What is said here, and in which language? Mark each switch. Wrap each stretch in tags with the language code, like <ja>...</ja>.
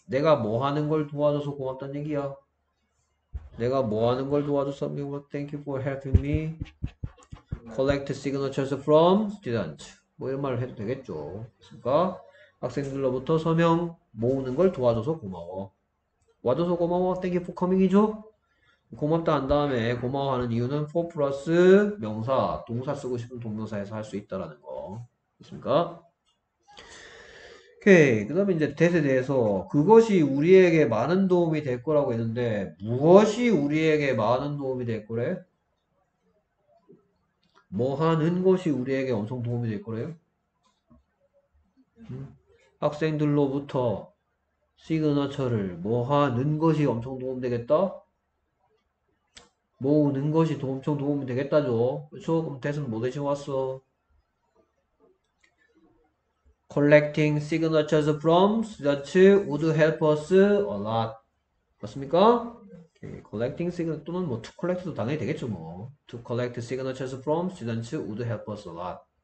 <ko>내가 뭐 하는 걸 도와줘서 고맙다는 얘기야. 내가 뭐 하는 걸 도와줘서 고맙다.</ko> <en>Thank you for helping me collect signatures from students.</en> <ko>뭐 이런 말을 해도 되겠죠. 그러니까 학생들로부터 서명 모으는 걸 도와줘서 고마워. 와줘서 고마워.</ko> <en>Thank you for coming</en> <ko>이죠. 고맙다 한 다음에 고마워하는 이유는 for 플러스 명사, 동사 쓰고 싶은 동명사에서 할수 있다라는 거. 그렇습니까? 오케이. 그 다음에 이제 that에 대해서 그것이 우리에게 많은 도움이 될 거라고 했는데 무엇이 우리에게 많은 도움이 될 거래? 뭐 하는 것이 우리에게 엄청 도움이 될 거래요? 학생들로부터 시그너처를 뭐 하는 것이 엄청 도움 되겠다? 모으는 것이 엄청 도움이 되겠다죠. 그렇죠? 그럼 대신 뭐 대신 왔어?</ko> <en>Collecting signatures from students would help us a lot.</en> <ko>맞습니까? Okay. Collecting signatures 또는 뭐 to collect도 당연히 되겠죠 뭐.</ko> <en>To collect signatures from students would help us a lot.</en>